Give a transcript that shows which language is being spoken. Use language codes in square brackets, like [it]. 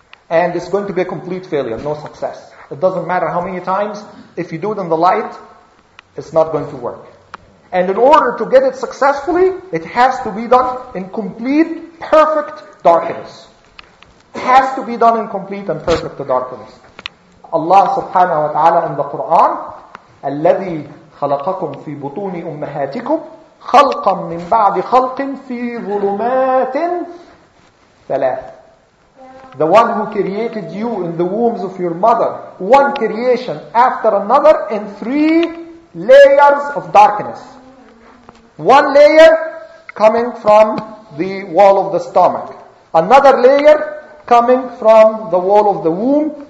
[en] And it's going to be a complete failure, no success. It doesn't matter how many times, if you do it in the light, it's not going to work. And in order to get it successfully, it has to be done in complete, perfect darkness. It has to be done in complete and perfect darkness. Allah subhanahu wa ta'ala in the Quran, [ar] الَّذِي خَلَقَكُمْ فِي بُطُونِ أُمَّهَاتِكُمْ خَلْقًا مِّن بَعْدِ خَلْقٍ فِي ظُلُمَاتٍ ثَلَاثٍ. [en] The one who created you in the wombs of your mother, one creation after another in three layers of darkness. One layer coming from the wall of the stomach. Another layer coming from the wall of the womb.